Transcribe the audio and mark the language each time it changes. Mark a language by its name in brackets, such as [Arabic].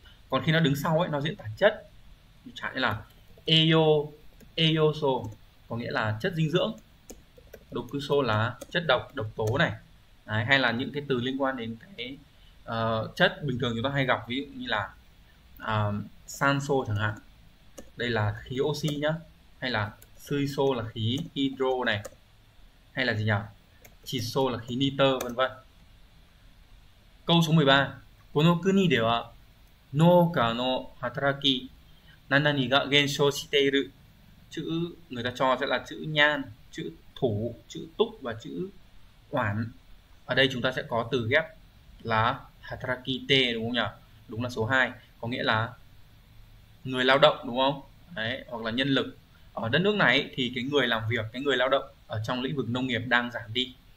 [Vietnamese] Còn khi nó đứng sau ấy nó diễn tả chất, chẳng hạn như là eo eoso có nghĩa là chất dinh dưỡng, dokuso là chất độc độc tố này đấy, hay là những cái từ liên quan đến cái chất bình thường chúng ta hay gặp ví dụ như là sanso chẳng hạn, đây là khí oxy nhá, hay là suiso là khí hydro này, hay là gì nhỉ, chiso là khí nitơ vân vân. Câu số 13, [Japanese] この国では農家の働き何々が減少している。 [Vietnamese] Chữ người ta cho sẽ là chữ nhan, chữ thủ, chữ túc và chữ quản. Ở đây chúng ta sẽ có từ ghép là hatarakite đúng không nhỉ? Đúng là số 2, có nghĩa là người lao động đúng không? Đấy, hoặc là nhân lực. Ở đất nước này thì cái người làm việc, cái người lao động ở trong lĩnh vực nông nghiệp đang giảm đi.